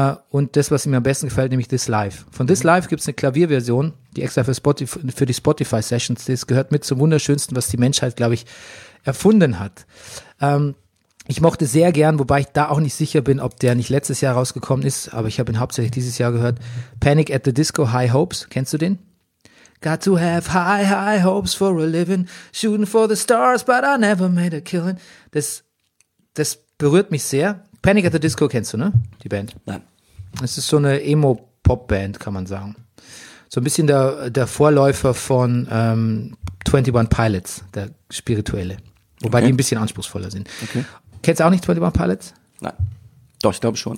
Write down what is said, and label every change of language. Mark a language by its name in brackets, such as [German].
[German] Und das, was mir am besten gefällt, nämlich This Life. Von This Life gibt es eine Klavierversion, die extra für die Spotify-Sessions, das gehört mit zum Wunderschönsten, was die Menschheit, glaube ich, erfunden hat. Ich mochte sehr gern, wobei ich da auch nicht sicher bin, ob der nicht letztes Jahr rausgekommen ist, aber ich habe ihn hauptsächlich dieses Jahr gehört. Panic at the Disco, High Hopes, kennst du den? [English] Got to have high, high hopes for a living, shooting for the stars, but I never made a killing. [German] Das berührt mich sehr. Panic at the Disco kennst du, ne? Die Band. Nein. Es ist so eine Emo-Pop-Band, kann man sagen. So ein bisschen der Vorläufer von 21 Pilots, der Spirituelle. Wobei die ein bisschen anspruchsvoller sind. Okay. Kennst du auch nicht 21 Pilots? Nein. Doch, ich glaube schon.